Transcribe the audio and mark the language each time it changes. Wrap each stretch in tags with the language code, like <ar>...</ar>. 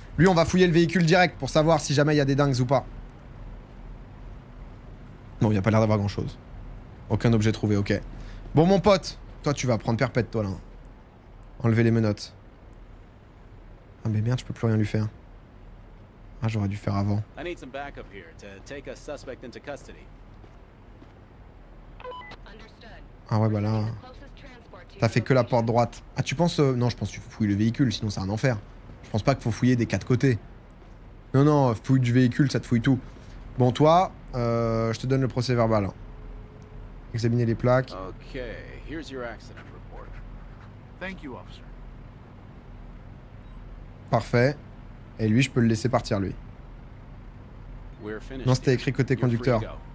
<fr>Lui on va fouiller le véhicule direct pour savoir si jamais il y a des dingues ou pas. Non, il n'y a pas l'air d'avoir grand-chose. Aucun objet trouvé, ok. Bon, mon pote, toi, tu vas prendre perpète, toi, là. Enlever les menottes. Ah, mais merde, je peux plus rien lui faire. Ah, j'aurais dû faire avant.</fr> <en>I need some backup here to take a suspect into custody.</en> <fr>Ah ouais, bah là... T'as fait que la porte droite. Ah, tu penses... Non, je pense que tu fouilles le véhicule, sinon c'est un enfer. Je pense pas qu'il faut fouiller des quatre côtés. Non, non, fouille du véhicule, ça te fouille tout. Bon, toi... je te donne le procès verbal. Examiner les plaques.</fr> <en>Okay, here's your accident report. Thank you, officer.</en> <fr>Parfait. Et lui, je peux le laisser partir, lui.</fr> <en>We're finished.</en> <fr>Non, c'était écrit côté conducteur.</fr>